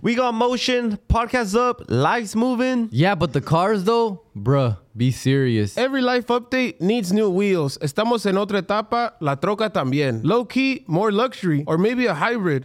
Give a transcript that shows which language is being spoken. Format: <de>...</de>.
<en>We got motion, podcast up, life's moving. Yeah, but the cars, though? Bruh, be serious. Every life update needs new wheels.</en> <es>Estamos en otra etapa, la troca también.</es> <en>Low-key, more luxury, or maybe a hybrid.</en>